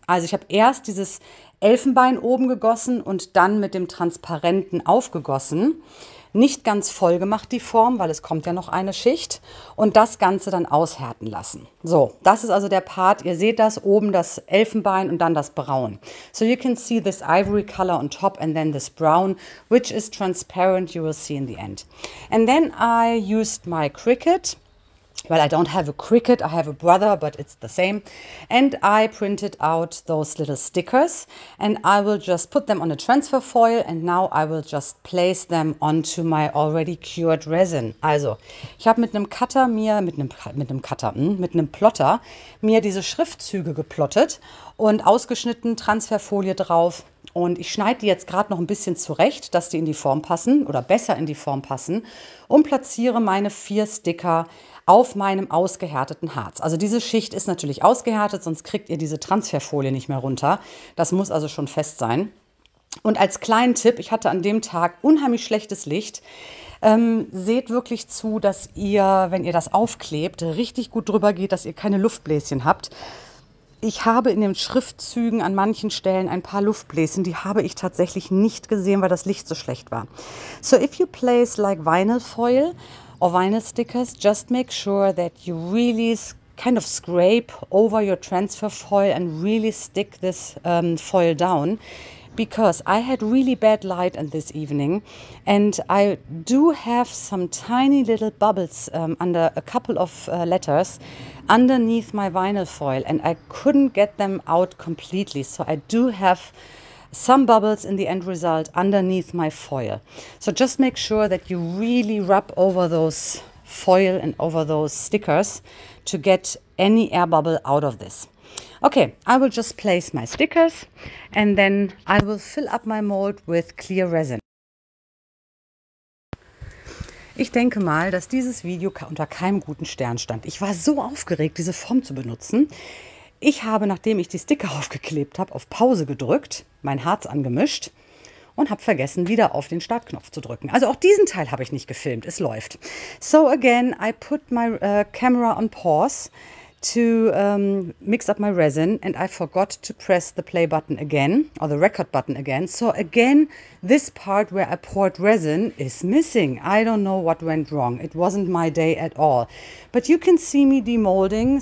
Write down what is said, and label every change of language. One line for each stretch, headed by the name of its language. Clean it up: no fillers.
German: Also ich habe erst dieses Elfenbein oben gegossen und dann mit dem Transparenten aufgegossen. Nicht ganz voll gemacht die Form, weil es kommt ja noch eine Schicht. Und das Ganze dann aushärten lassen. So, das ist also der Part. Ihr seht das, oben das Elfenbein und dann das Braun.
English: So you can see this ivory color on top and then this brown, which is transparent, you will see in the end. And then I used my Cricut. Well, I don't have a Cricut, I have a brother, but it's the same. And I printed out those little stickers and I will just put them on a transfer foil and now I will just place them onto my already cured resin.
German: Also, ich habe mit einem Plotter mir diese Schriftzüge geplottet und ausgeschnitten, Transferfolie drauf. Und ich schneide die jetzt gerade noch ein bisschen zurecht, dass die in die Form passen oder besser in die Form passen und platziere meine vier Sticker auf meinem ausgehärteten Harz. Also diese Schicht ist natürlich ausgehärtet, sonst kriegt ihr diese Transferfolie nicht mehr runter. Das muss also schon fest sein. Und als kleinen Tipp, ich hatte an dem Tag unheimlich schlechtes Licht. Seht wirklich zu, dass ihr, wenn ihr das aufklebt, richtig gut drüber geht, dass ihr keine Luftbläschen habt. Ich habe in den Schriftzügen an manchen Stellen ein paar Luftbläschen, die habe ich tatsächlich nicht gesehen, weil das Licht so schlecht war.
English: So if you place like vinyl foil or vinyl stickers, just make sure that you really kind of scrape over your transfer foil and really stick this foil down. Because I had really bad light in this evening and I do have some tiny little bubbles under a couple of letters underneath my vinyl foil and I couldn't get them out completely. So I do have some bubbles in the end result underneath my foil. So just make sure that you really rub over those foil and over those stickers to get any air bubble out of this. Okay, I will just place my stickers and then I will fill up my mold with clear resin.
German: Ich denke mal, dass dieses Video unter keinem guten Stern stand. Ich war so aufgeregt, diese Form zu benutzen. Ich habe, nachdem ich die Sticker aufgeklebt habe, auf Pause gedrückt, mein Harz angemischt und habe vergessen, wieder auf den Startknopf zu drücken. Also auch diesen Teil habe ich nicht gefilmt. Es läuft.
English: So again, I put my camera on pause to mix up my resin and I forgot to press the play button again or the record button again. So again, this part where I poured resin is missing. I don't know what went wrong. It wasn't my day at all. But you can see me demolding.